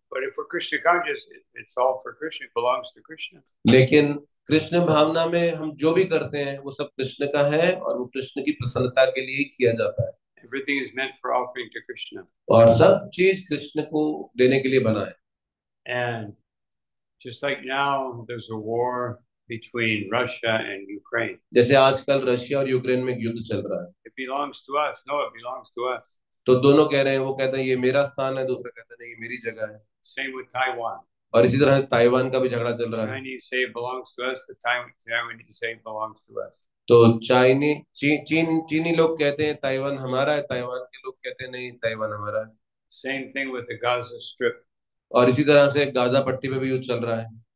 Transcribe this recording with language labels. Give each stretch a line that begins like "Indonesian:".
English: But if for Krishna conscious, it's all for Krishna, it belongs to Krishna.
Hindi: लेकिन कृष्ण भावना में हम जो भी करते हैं वो सब कृष्ण का है और वो कृष्ण की प्रसन्नता के लिए ही किया जाता है.
English: Everything is meant for offering to Krishna.
Hindi: और सब चीज कृष्ण को देने के लिए बना है.
English: And just like now, there's a war between Russia and Ukraine.
Hindi: जैसे आजकल रशिया और यूक्रेन में युद्ध चल रहा है.
English: It belongs to us. No, it belongs to us.
Hindi: तो दोनों कह रहे हैं, वो कहते हैं ये मेरा स्थान है, दूसरा कहता है ये मेरी जगह है.
English: Same with Taiwan.
Hindi: और इसी तरह ताइवान का भी झगड़ा चल रहा है.
English: Chinese say belongs to us, the Taiwanese say belongs to us.
Hindi: तो चीनी लोग कहते हैं ताइवान हमारा है, ताइवान के लोग कहते हैं नहीं ताइवान हमारा है.
English: Same thing with the Gaza Strip.
Hindi: और इसी तरह से गाजा पट्टी पे भी युद्ध चल रहा है.